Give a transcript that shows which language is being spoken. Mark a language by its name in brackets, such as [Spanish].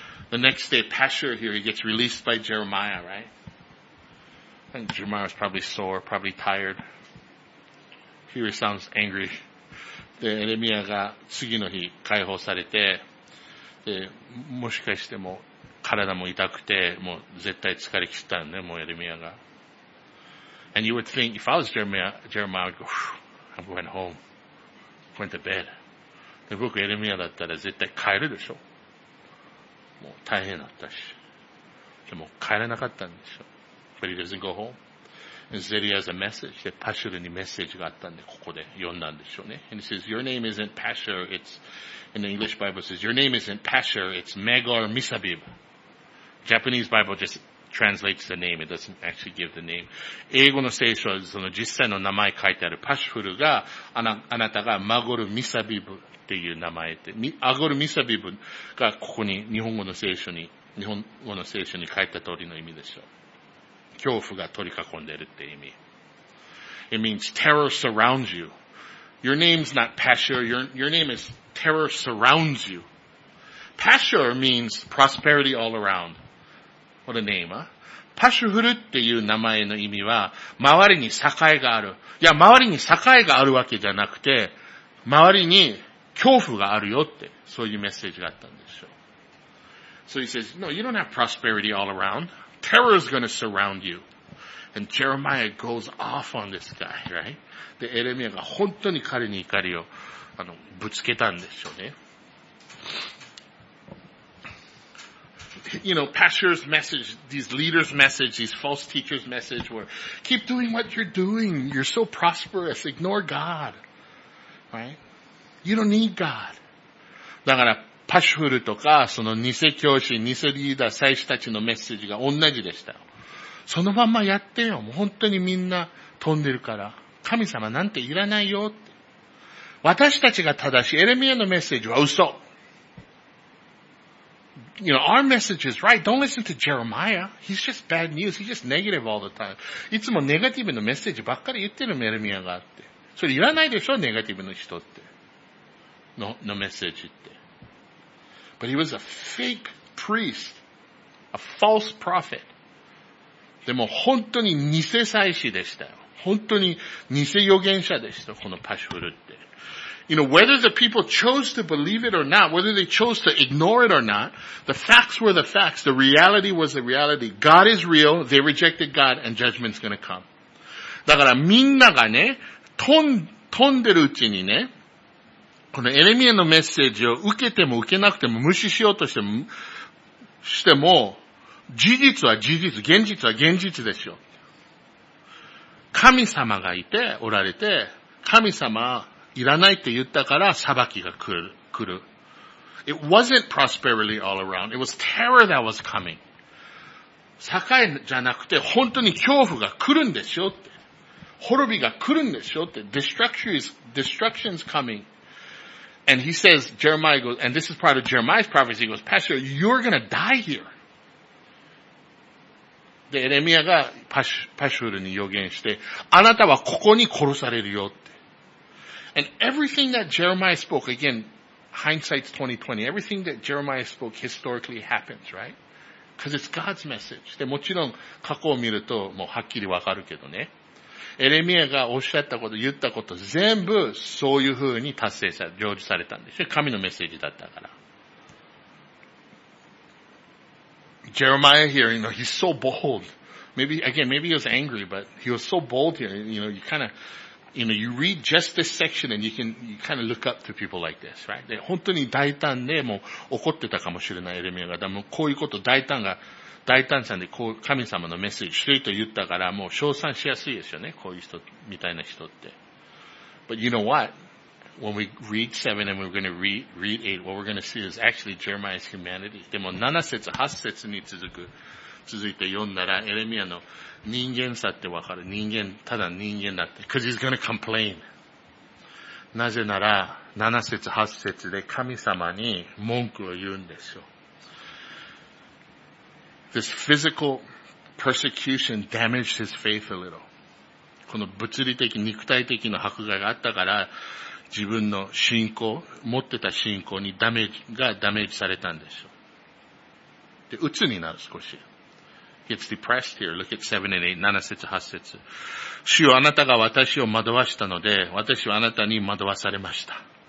[English] The next day, Pashur here, he gets released by Jeremiah, right? And Jeremiah is probably sore, probably tired. Here he sounds angry. [Japanese] で、エレミアが次の日解放されて、で、もしかしても、体も痛くて、もう絶対疲れ切ったね、もうエレミアが。 [English] And you would think, if I was Jeremiah, I'd go, I went home. Went to bed. [Japanese] で、僕エレミアだったら絶対帰るでしょ。もう大変だったし。でも帰れなかったんでしょ。 [English] But he doesn't go home. And Zeddy has a message. [Japanese] で、パシュルにメッセージがあったんで、ここで読んだんでしょうね。 [English] And he says, your name isn't Pashur, it's, in the English Bible says, your name isn't Pashur, it's Megor Misabib. Japanese Bible just translates the name, it doesn't actually give the name. [Japanese] 英語の聖書はその実際の名前書いてある。パシュルが、あなたがマゴルミサビブ。っていう名前って、アゴルミサビブがここに日本語の聖書に、日本語の聖書に書いた通りの意味でしょう。恐怖が取り囲んでるって意味。 [English] It means terror surrounds you. Your name's not Pashur, your name is terror surrounds you. Pashur means prosperity all around. What a name, huh? [Japanese] パシュフルっていう名前の意味は、周りに栄えがある。いや、周りに栄えがあるわけじゃなくて、周りに恐怖があるよって、そういうメッセージがあったんでしょう。 [English] So he says, no, you don't have prosperity all around. Terror is going to surround you. And Jeremiah goes off on this guy, right? [Japanese] で、エレミアが本当に彼に怒りを、ぶつけたんでしょうね。 [English] You know, Pashur's message, these leaders' message, these false teachers' message were, keep doing what you're doing. You're so prosperous. Ignore God. Right? You don't need God. [Japanese] だから、パシフルとか、その偽教師、偽リーダー、祭司たちのメッセージが同じでした。そのまんまやってよ。もう本当にみんな飛んでるから。神様なんていらないよって。私たちが正しい。エレミアのメッセージは嘘。 [English] You know, our message is right. Don't listen to Jeremiah. He's just bad news. He's just negative all the time. [Japanese] いつもネガティブのメッセージばっかり言ってるエレミアがあって。それいらないでしょ、ネガティブの人って。のメッセージって。 [English] But he was a fake priest. A false prophet. [Japanese] でも本当に偽祭司でしたよ。本当に偽預言者でした、このパシフルって。 [English] You know, whether the people chose to believe it or not, whether they chose to ignore it or not, the facts were the facts. The reality was the reality. God is real. They rejected God and judgment's gonna come. [Japanese] だからみんながね、飛んでるうちにね、このエレミアのメッセージを受けても受けなくても無視しようとしても、事実は事実、現実は現実でしょ。神様がいて、おられて、神様いらないって言ったから裁きが来る。 [English] It wasn't prosperity all around. It was terror that was coming. [Japanese] 栄じゃなくて本当に恐怖が来るんでしょって。滅びが来るんでしょって。 [English] Destruction's coming. And he says, Jeremiah goes, and this is part of Jeremiah's prophecy, he goes, Pastor, you're gonna die here. [Japanese] で、エレミアがパシュールに予言して、あなたはここに殺されるよって。 [English] And everything that Jeremiah spoke, again, hindsight's 2020, everything that Jeremiah spoke historically happens, right? Because it's God's message. [Japanese] で、もちろん過去を見るともうはっきりわかるけどね。エレミアがおっしゃったこと、言ったこと、全部そういう風に達成さ、成就されたんですよ。神のメッセージだったから。 [English] Jeremiah here, you know, he's so bold. Maybe, again, maybe he was angry, but he was so bold here. You know, you kind of, you know, you read just this section and you kind of look up to people like this, right? [Japanese] で、本当に大胆で、もう怒ってたかもしれないエレミアが。でもこういうこと、大胆さんでこう神様のメッセージしてると言ったから、もう称賛しやすいですよね。こういう人みたいな人って。 [English] But you know what? When we read 7 and we're going to read 8, what we're going to see is actually Jeremiah's humanity. [Japanese] でも7節、8節に続いて読んだら、エレミアの人間さってわかる。人間、ただ人間だって。 [English] Because he's going to complain. [Japanese] なぜなら、7節、8節で神様に文句を言うんですよ。 [English] This physical persecution damaged his faith a little. [Japanese] この物理的、肉体的な迫害があったから、自分の信仰、持ってた信仰にダメージされたんですよ。で、鬱になる少し。 [English] Gets depressed here. Look at 7 and 8, [Japanese] 7節、8節。主よ、あなたが私を惑わしたので、私はあなたに惑わされました。